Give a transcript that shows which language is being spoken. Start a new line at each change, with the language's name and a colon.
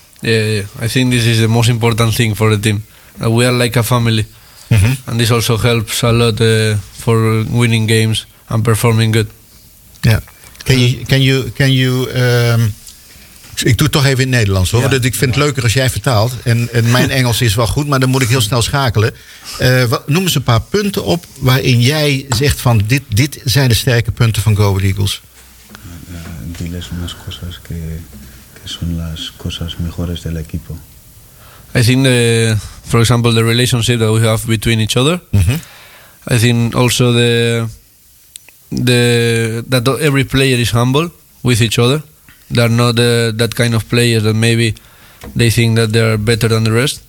English: Yeah. I think this is the most important thing for the team. We are like a family. Mm-hmm. And this also helps a lot for winning games and performing good.
Dutch: Ja,
English: can you
Dutch: ik doe het toch even in het Nederlands hoor. Ja. Ik vind het leuker als jij vertaalt. En mijn Engels is wel goed, maar dan moet ik heel snel schakelen. Noem eens een paar punten op waarin jij zegt van dit zijn de sterke punten van Go Ahead Eagles.
Spanish: Diles unas cosas que son las cosas mejores del equipo.
English: I think, for example, the relationship that we have between each other. Mm-hmm. I think also that every player is humble with each other. They're not that kind of players that maybe they think that they are better than the rest.